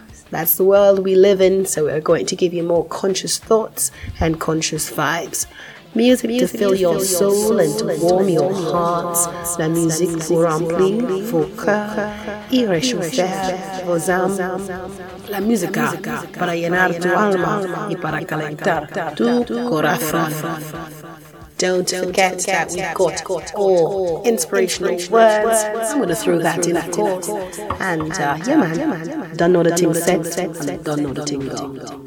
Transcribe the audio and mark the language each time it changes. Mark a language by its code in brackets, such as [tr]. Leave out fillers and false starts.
[en] That's the world we live in, so we're going to give you more conscious thoughts and conscious vibes. Music to fill your soul and to warm your heart. [fr] La musique pour remplir vos cœurs et réchauffer vos âmes. La musique [es] para llenar tu alma y para calentar tu corazón. Don't forget that we've got all inspirational words. I'm going to throw that in at you. And, don't know the thing said, don't know the thing go.